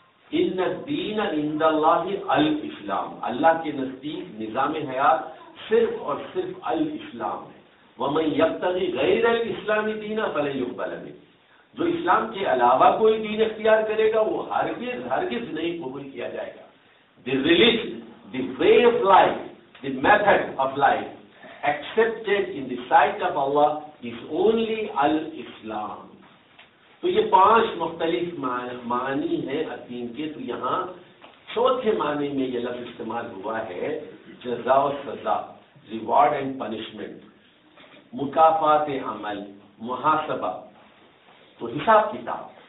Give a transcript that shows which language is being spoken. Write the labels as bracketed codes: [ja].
[ar] ان الدین عند اللہ الاسلام، [ur] اللہ کے نزدیک نظام حیات صرف اور صرف الاسلام ہے. [ar] ومن یبتغی غیر الاسلام دینا فلن یقبل منہ، [ur] جو اسلام کے علاوہ کوئی دین اختیار کرے گا وہ ہرگز ہرگز نہیں قبول کیا جائے گا. [en] The religion, the way of life, the method of life accepted in the sight of Allah is only al-Islam. [ur] تو یہ پانچ مختلف معنی ہیں الدین کے. تو یہاں چوتھے معنی میں یہ لفظ استعمال ہوا ہے, جزا و سزا, ریوارڈ اینڈ پنشمنٹ, مکافات عمل, محاسبہ, تو حساب کتاب.